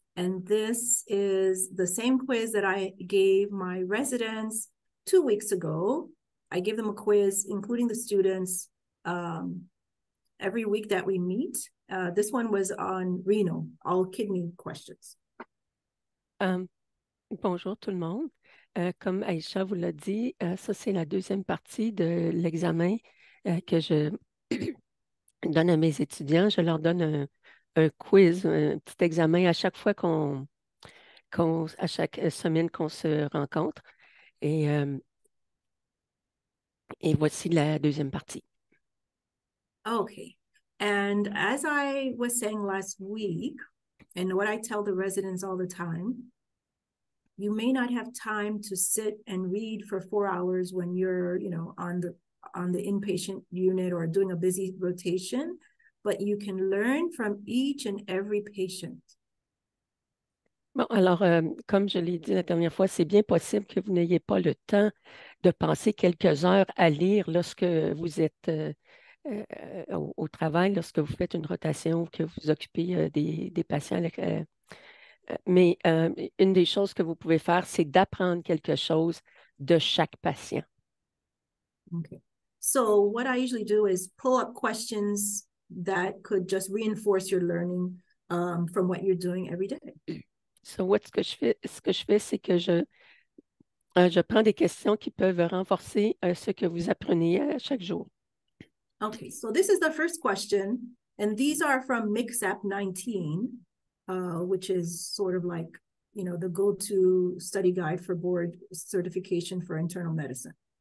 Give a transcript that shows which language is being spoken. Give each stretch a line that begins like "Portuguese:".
English: And this is the same quiz that I gave my residents 2 weeks ago. I give them a quiz, including the students, every week that we meet. This one was on renal, all kidney questions.
French: Bonjour tout le monde. Comme Aïcha vous l'a dit, ça c'est la deuxième partie de l'examen que je donne à mes étudiants. Je leur donne un quiz, un petit examen à chaque fois à chaque semaine qu'on se rencontre. Et voici la deuxième partie.
English: Okay, and as I was saying last week, and what I tell the residents all the time, you may not have time to sit and read for 4 hours when you're, on the inpatient unit or doing a busy rotation, but you can learn from each and every patient.
French: Bon, alors, comme je l'ai dit la dernière fois, c'est bien possible que vous n'ayez pas le temps de passer quelques heures à lire lorsque vous êtes au travail, lorsque vous faites une rotation ou que vous occupez des patients. Mais une des choses que vous pouvez faire, c'est d'apprendre quelque chose de chaque patient.
English: Okay. So what I usually do is pull up questions that could just reinforce your learning from what you're doing every day.
French: So, ce que je fais, c'est que je prends des questions qui peuvent renforcer ce que vous apprenez chaque jour.
English: Okay, so this is the first question, and these are from MixApp 19, which is sort of like, the go-to study guide for board certification for internal medicine.